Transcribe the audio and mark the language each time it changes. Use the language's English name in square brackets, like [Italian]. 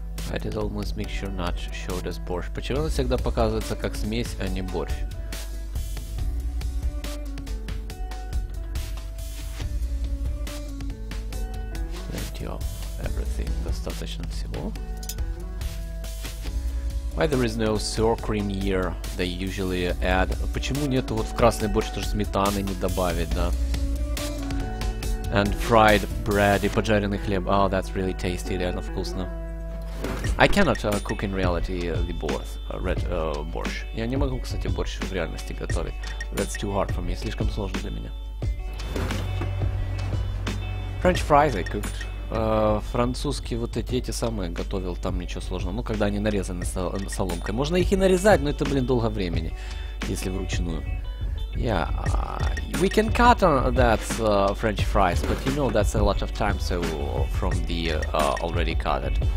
[English] That is almost mixture, not showed as borscht. [Russian] Почему она всегда показывается как смесь, а не борщ? [English] Plenty of everything. [Russian] Достаточно всего. [English] Why there is no sour cream here? They usually add. [Russian] Почему нет вот в красный борщ тоже сметаны не добавить, да? [English] And fried bread, [Russian] и поджаренный хлеб. [English] Oh, that's really tasty, [Russian] реально вкусно. [English] I cannot cook in reality the borscht, borscht. [Russian] Я не могу, кстати, борщ в реальности готовить. [English] That's too hard for me, [Russian] слишком сложно для меня. [English] French fries I cooked. [Russian] Французские вот эти самые готовил, там ничего сложного. Ну, когда они нарезаны соломкой. Можно их и нарезать, но это, блин, долго времени, если вручную. [English] Yeah, we can cut on that French fries, but you know that's a lot of time, so from the already cut it.